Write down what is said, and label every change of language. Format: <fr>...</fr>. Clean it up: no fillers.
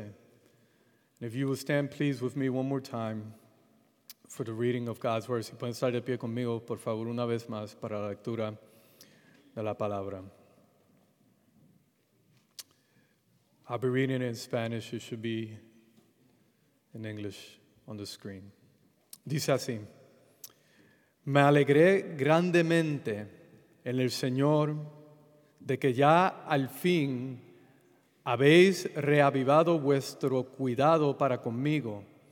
<en>And if you will stand, please, with me one more time for the reading of God's word.</en> <es>Si pueden estar de pie conmigo, por favor, una vez más, para la lectura de la palabra.</es> <en>I'll be reading it in Spanish. It should be in English on the screen.</en> <es>Dice así: Me alegré grandemente en el Señor, de que ya al fin habéis reavivado vuestro cuidado para conmigo.</es>